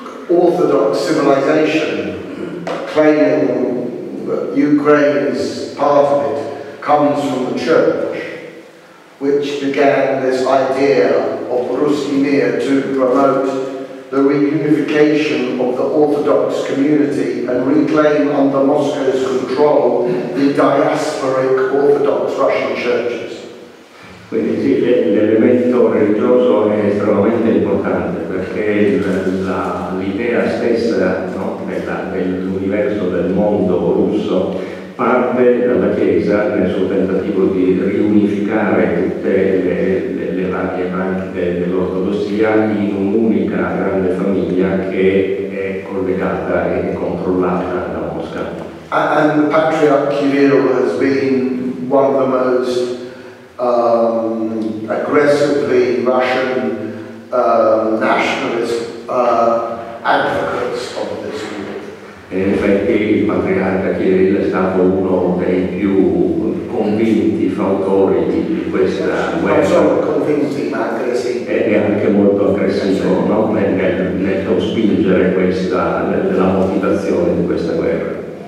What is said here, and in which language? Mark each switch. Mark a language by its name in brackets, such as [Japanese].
[English] Orthodox civilization claiming that Ukraine is part of it, comes from the church, which began this idea of Russian Mir to promote the reunification of the Orthodox community and reclaim under Moscow's control the diasporic Orthodox Russian churches. [Italian] Quindi sì, l'elemento religioso è estremamente importante perché l'idea stessa, no, dell'universo, del mondo russo parte dalla Chiesa nel suo tentativo di riunificare tutte le varie branche dell'ortodossia in un'unica grande famiglia che è collegata e controllata da Mosca. [English] And the Patriarch Kirill has been one of the most aggressively Russian nationalist advocates of this war. [Italian] E infatti il patriarca Kirill è stato uno dei più convinti fautori di questa guerra. Non solo convinti, ma aggressivi. Ed è anche molto aggressivo, no? Nel spingere questa, nella motivazione di questa guerra.